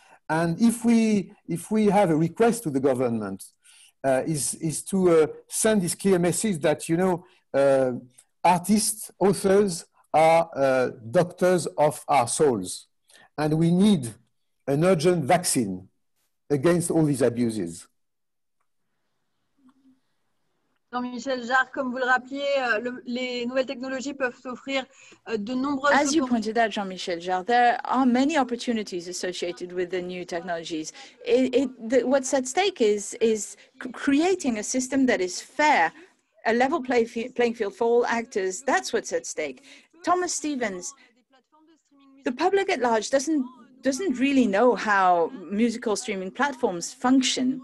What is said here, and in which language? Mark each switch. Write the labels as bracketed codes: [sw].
[en] And if we have a request to the government, is to send this clear message that, you know, artists, authors are doctors of our souls, and we need an urgent vaccine against all these abuses. [fr] Jean-Michel Jarre, comme vous le rappeliez, les nouvelles technologies peuvent offrir de nombreuses... [en] As you pointed out, Jean-Michel Jarre, there are many opportunities associated with the new technologies. What's at stake is creating a system that is fair, a level playing field for all actors. That's what's at stake. Thomas Steffens, the public at large doesn't really know how musical streaming platforms function.